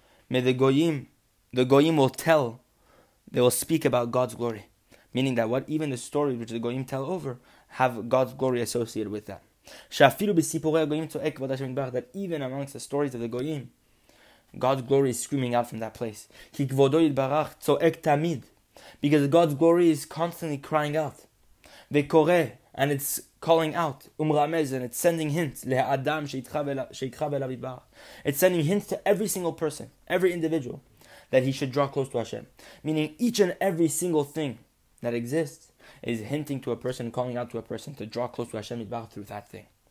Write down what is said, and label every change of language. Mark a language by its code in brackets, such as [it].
[en] May the goyim will tell, they will speak about God's glory. Meaning that what even the stories which the goyim tell over have God's glory associated with that. [he] שאפילו בסיפורי הגויים צועק כבוד השם יתברך, [en] that even amongst the stories of the goyim, God's glory is screaming out from that place. [he] כי כבודו יתברך צועק תמיד. [en] Because God's glory is constantly crying out. [he] וקורא, [en] and it's calling out, [he] umramez, [en] and it's sending hints, [he] le'adam sheikhav elav yitbarach. [en] It's sending hints to every single person, every individual, that he should draw close to Hashem. Meaning each and every single thing that exists is hinting to a person, calling out to a person to draw close to Hashem yitbarach through that thing.